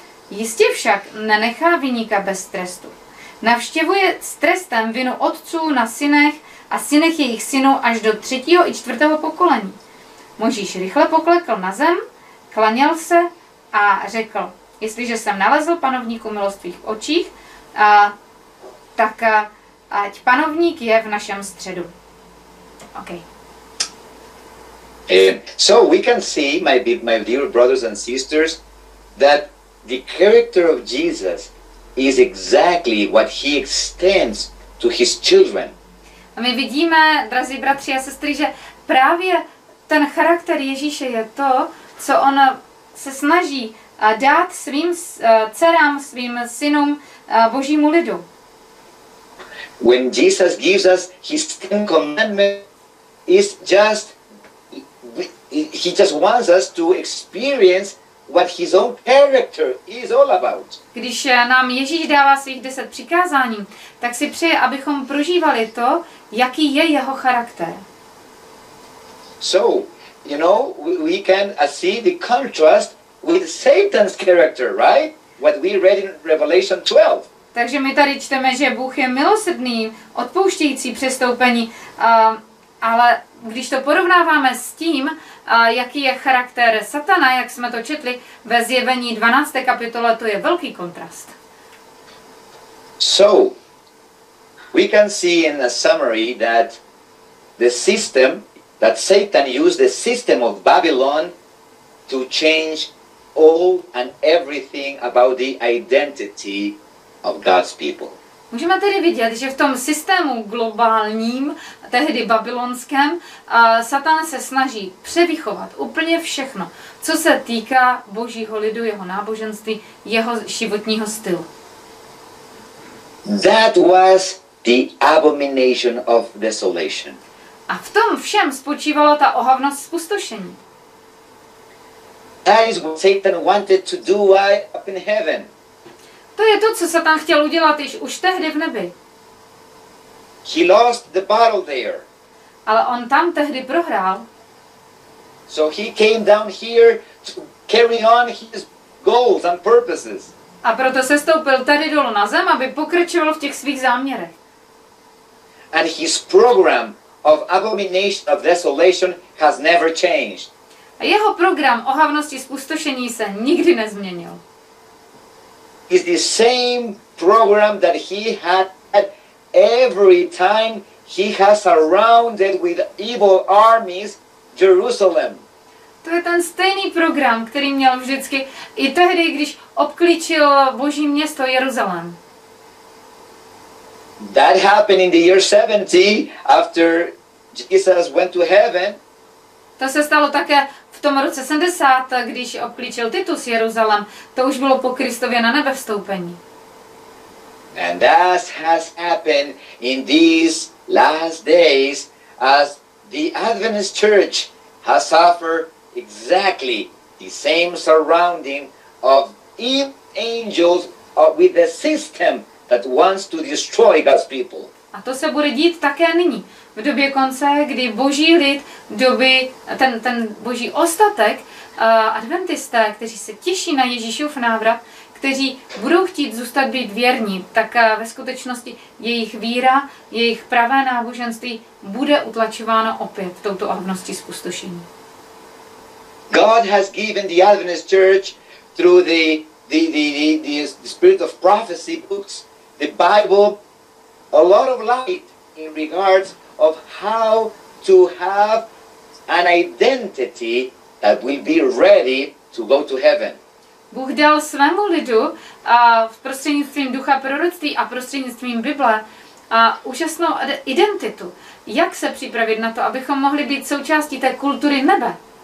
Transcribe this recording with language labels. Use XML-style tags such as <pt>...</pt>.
<cs>Jistě však nenechá viníka bez trestu. Navštěvuje s trestem vinu otců na synech a synech jejich synů až do třetího i čtvrtého pokolení. Mojžíš rychle poklekl na zem, klaněl se a řekl: Jestliže jsem nalezl panovníku milost v očích, tak ať panovník je v našem středu.</cs> <en>Okay. So we can see, my dear brothers and sisters, that the character of Jesus is exactly what he extends to his children.</en> <cs>A my vidíme, drazí bratři a sestry, že právě ten charakter Ježíše je to, co on se snaží dát svým dcerám, svým synům, Božímu lidu.</cs> <en>When Jesus gives us his ten commandment, is just he just wants us to experience what his own character is all about.</en> <cs>Když nám Ježíš dává svých 10 přikázání, tak si přeje, abychom prožívali to, jaký je jeho charakter.</cs> <en>So, you know, we can see the contrast with Satan's character, right? What we read in Revelation 12.</en> <cs>Takže my tady čteme, že Bůh je milosrdný, odpouštějící přestoupení, ale když to porovnáváme s tím, jaký je charakter Satana, jak jsme to četli ve zjevení 12. kapitole, to je velký kontrast.</cs> <en>So, we can see in a summary that the system, that Satan used the system of Babylon to change all and everything about the identity of God's people.</en> <cs>Můžeme tedy vidět, že v tom systému globálním, tehdy babylonském, Satan se snaží převychovat úplně všechno, co se týká Božího lidu, jeho náboženství, jeho životního stylu.</cs> <en>That was the abomination of desolation.</en> <cs>A v tom všem spočívala ta ohavnost zpustošení.</cs> <en>That is what Satan wanted to do while up in heaven.</en> <cs>To je to, co Satan chtěl udělat již už tehdy v nebi.</cs> <en>He lost the battle there.</en> <cs>Ale on tam tehdy prohrál.</cs> <en>So he came down here to carry on his goals and purposes.</en> <cs>A proto se stoupil tady dolů na zem, aby pokračoval v těch svých záměrech.</cs> <en>And his program of abomination of desolation has never changed.</en> <cs>A jeho program ohavnosti zpustošení se nikdy nezměnil.</cs> <en>It's the same program that he had every time he has surrounded with evil armies Jerusalem.</en> <cs>To je ten stejný program, který měl vždycky i tehdy, když obklíčil Boží město Jeruzalém.</cs> <en>That happened in the year 70 after Jesus went to heaven.</en> <cs>To se stalo také v tom roce 70, když obklíčil Titus Jeruzalém, to už bylo po Kristově na nebe vstoupení.</cs> <en>And that has happened in these last days as the Adventist Church has suffered exactly the same surrounding of evil angels with the system that wants to destroy God's people.</en> <cs>A to se bude dít také nyní. V době konce, kdy Boží lid, ten Boží ostatek, adventisté, kteří se těší na Ježíšův návrat, kteří budou chtít zůstat být věrní, tak ve skutečnosti jejich víra, jejich pravé náboženství bude utlačováno opět touto ohavností zpustošení.</cs> <en>God has given the Adventist Church through the Spirit of Prophecy books, the Bible, a lot of light in regards of how to have an identity that will be ready to go to heaven.</en> <cs>Bůh dal svému lidu v prostřednictvím ducha proroctví a prostřednictvím Bible úžasnou identitu, jak se připravit na to, abychom mohli být součástí té kultury nebe.</cs>